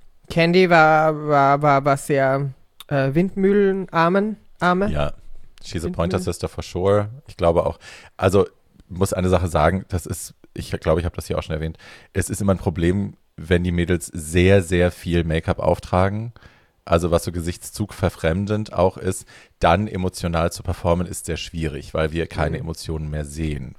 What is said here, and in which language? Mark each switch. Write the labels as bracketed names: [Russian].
[German] Candy war sehr Windmühlenarme. [English] Ja, she's a Pointer Sister for sure. [German] Ich glaube auch, also muss eine Sache sagen, das ist, ich glaube, ich habe das hier auch schon erwähnt, es ist immer ein Problem, wenn die Mädels sehr, sehr viel Make-up auftragen, also was so Gesichtszug verfremdend auch ist, dann emotional zu performen, ist sehr schwierig, weil wir keine Emotionen mehr sehen.